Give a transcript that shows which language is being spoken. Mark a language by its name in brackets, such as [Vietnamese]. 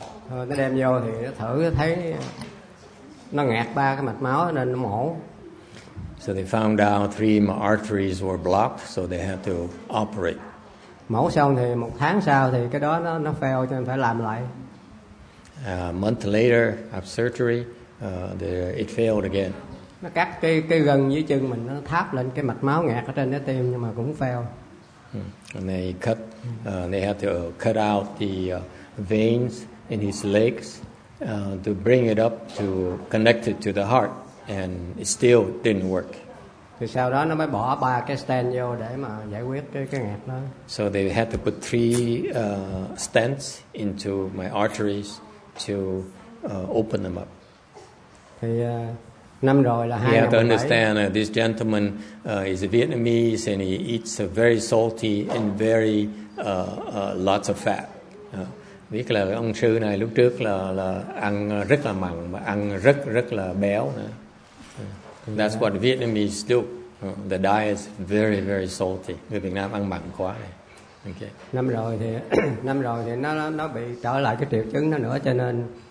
[Vietnamese] Nó đem vô thì nó thử thấy nó nghẹt ba cái mạch máu nên nó mổ. [English] So they found out 3 arteries were blocked, so they had to operate. [Vietnamese] Mổ xong thì một tháng sau thì cái đó nó fail cho nên phải làm lại. [English] A month later after surgery, it failed again. [Vietnamese] Nó cắt cái gân dưới chân mình, nó tháp lên cái mạch máu nghẹt ở trên trái tim nhưng mà cũng fail. [English] And they had to cut out the veins in his legs to bring it up to connect it to the heart, and it still didn't work. [Vietnamese] Thì sau đó nó mới bỏ ba cái stent vô để mà giải quyết cái nghẹt đó. [English] So they had to put 3 stents into my arteries to open them up. [Vietnamese] Thì năm rồi là 2007. [English] You have to understand this gentleman is a Vietnamese and he eats very salty and very lots of fat. [Vietnamese] Biết là ông sư này lúc trước là ăn rất là mặn và ăn rất rất là béo. [English] That's what Vietnamese do. The diet is very very salty. [Vietnamese] Người Việt Nam ăn mặn quá. [English] Okay. [Vietnamese] Năm rồi thì nó bị trở lại cái triệu chứng nó nữa cho nên